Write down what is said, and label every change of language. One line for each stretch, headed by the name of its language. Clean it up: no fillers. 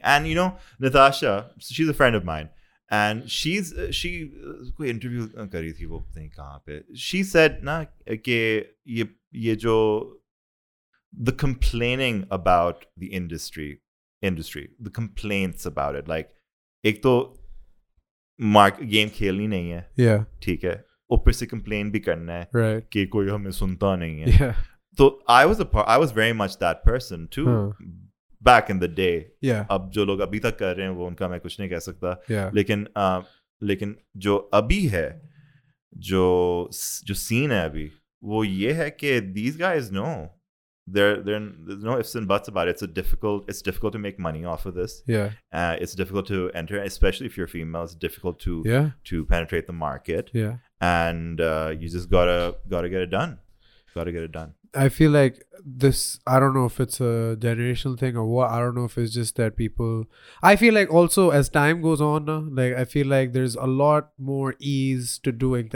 English: And, you know, Natasha, she's a friend of mine, and she interviewed
Urdu: کری تھی وہ پتا نہیں کہاں پہ,
English: she said
Urdu: نا کے یہ جو
English: the complaining about the industry, the complaints about it, like,
Urdu: ایک تو mark game کھیلنی نہیں ہے,
English: yeah,
Urdu: ٹھیک ہے, اوپر سے کمپلین بھی کرنا ہے,
English: right,
Urdu: کے کوئی ہمیں سنتا نہیں ہے.
English: Yeah. So I was very much that person too, back in the day. Yeah.
Urdu: اب جو لوگ ابھی تک کر رہے ہیں وہ ان کا میں کچھ نہیں کہہ سکتا.
English: Yeah.
Urdu: لیکن جو ابھی ہے, جو scene ہے ابھی, وہ یہ ہے کے
English: these guys know. There's no ifs and buts about it. It's difficult to make money off of this. Yeah. It's difficult to enter, especially if you're female. It's difficult to to penetrate the market. Yeah. And you just gotta get it done. Got to get it done. I feel like this, I don't know if it's a generational thing or what. I don't know if it's just that people, I feel like also as time goes on, like I feel like there's a lot more ease to doing.